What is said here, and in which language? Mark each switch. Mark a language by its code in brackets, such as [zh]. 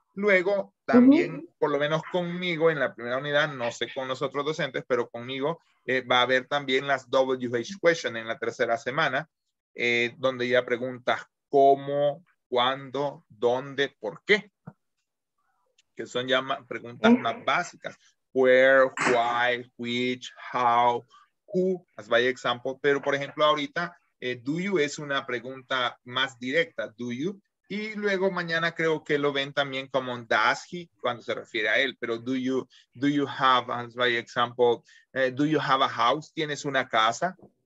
[es] Luego, también, por lo menos conmigo, en la primera unidad, no sé con los otros docentes, pero conmigo va a haber también las WH questions en la tercera semana, donde ya preguntas cómo, cuándo, dónde, por qué. Que son ya preguntas más básicas. [en] Where, why, which, how, who, as by example. [es] Pero, por ejemplo, ahorita, do you es una pregunta más directa, do you. Y luego mañana creo que lo ven también como does he, cuando se refiere a él. Pero [en] do you have, as by example, do you have a house, [es] tienes una casa.